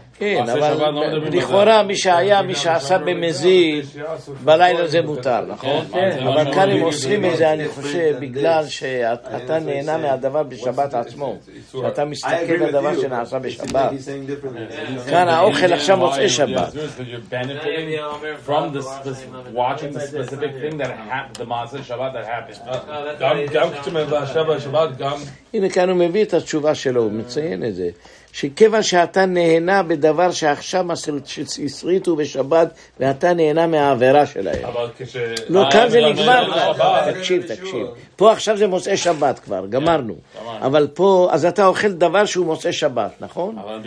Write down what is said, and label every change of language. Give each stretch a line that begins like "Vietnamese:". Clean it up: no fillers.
Hebrew: כן, אבל לכאורה מי שהיה, מי שעשה במזיד, בלילה זה מותר, נכון? אבל כאן הם עושים את זה, אני חושב, בגלל שאתה נהנה מהדבר בשבת עצמו. שאתה מסתכל על הדבר שנעשה בשבת. כאן האוכל עכשיו מוצאי שבת.
English: You're benefiting from this, this watching the specific thing that happened, the Maaseh Shabbat that happened.
Hebrew: גם כשמבה שבת שבת, גם... הנה כאן הוא מביא את התשובה שלו, הוא מציין את זה. שכיוון שאתה נהנה בדבר שעכשיו הסריטו בשבת, ואתה נהנה מהעבירה שלהם. אבל כש... לא, כאן זה נגמר. תקשיב, תקשיב. פה עכשיו זה מוצאי שבת כבר, גמרנו. אבל פה, אז אתה אוכל דבר שהוא מוצאי שבת, נכון?